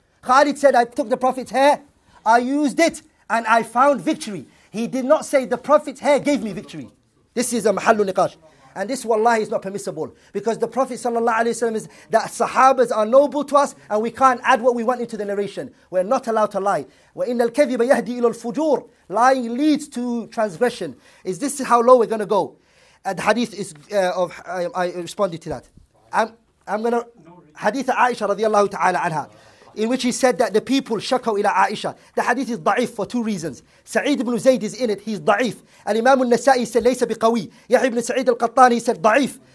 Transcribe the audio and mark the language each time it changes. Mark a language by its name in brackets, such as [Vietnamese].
[English] Khalid said, I took the Prophet's hair, I used it, and I found victory. He did not say the Prophet's hair gave me victory. This is a mahallu niqash. And this, wallahi, is not permissible. Because the Prophet sallallahu alayhi wa sallam is that sahabas are noble to us and we can't add what we want into the narration. We're not allowed to lie. [Arabic] وَإِنَّ الْكَذِبَ يَهْدِي إِلَى الْفُجُورِ [English] Lying leads to transgression. Is this how low we're going to go? And the hadith is of, I responded to that. I'm going to, hadith of Aisha radiallahu ta'ala anha, in which he said that the people shakaw ila Aisha. The hadith is da'if for two reasons. Sa'id ibn Zayd is in it, he's da'if. And Imam al-Nasa'i said, [Arabic] laysa biqawi. [English] Yahya ibn Sa'id al-Qattani said, da'if.